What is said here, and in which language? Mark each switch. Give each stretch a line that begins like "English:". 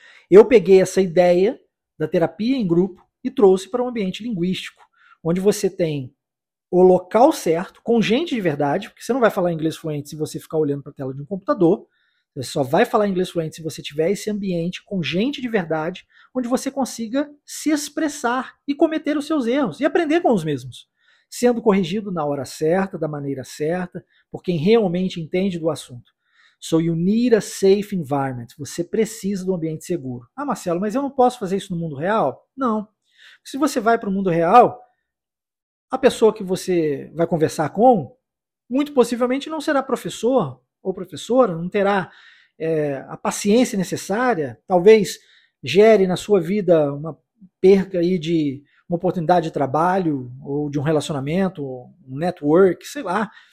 Portuguese: Eu peguei essa ideia da terapia em grupo e trouxe para um ambiente linguístico, onde você tem o local certo, com gente de verdade, porque você não vai falar inglês fluente se você ficar olhando para a tela de um computador, você só vai falar inglês fluente se você tiver esse ambiente com gente de verdade, onde você consiga se expressar e cometer os seus erros e aprender com os mesmos, sendo corrigido na hora certa, da maneira certa, por quem realmente entende do assunto.
English: So you need a safe environment.
Portuguese: Você precisa de um ambiente seguro. Ah, Marcelo, mas eu não posso fazer isso no mundo real? Não. Se você vai para o mundo real, a pessoa que você vai conversar com, muito possivelmente não será professor ou professora, não terá a paciência necessária, talvez gere na sua vida uma perca aí de uma oportunidade de trabalho ou de um relacionamento, um network, sei lá.